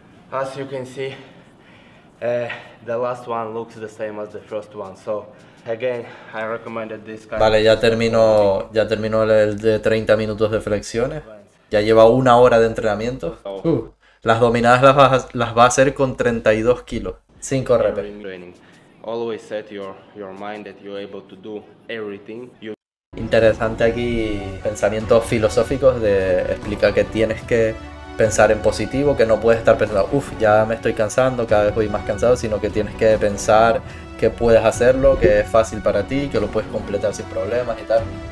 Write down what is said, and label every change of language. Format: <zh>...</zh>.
<en>As you can see, the last one looks the same as the first one. So, again, I recommended this kind.</en> <es>Vale, ya terminó el de 30 minutos de flexiones. Ya lleva una hora de entrenamiento. Las dominadas las va a hacer con 32 kilos.</es> <en>5 reps. Always set your mind that you're able to do everything.</en> <es>Interesante aquí pensamientos filosóficos de explica que tienes que pensar en positivo, que no puedes estar pensando, uff, ya me estoy cansando, cada vez voy más cansado, sino que tienes que pensar que puedes hacerlo, que es fácil para ti, que lo puedes completar sin problemas y tal.</es>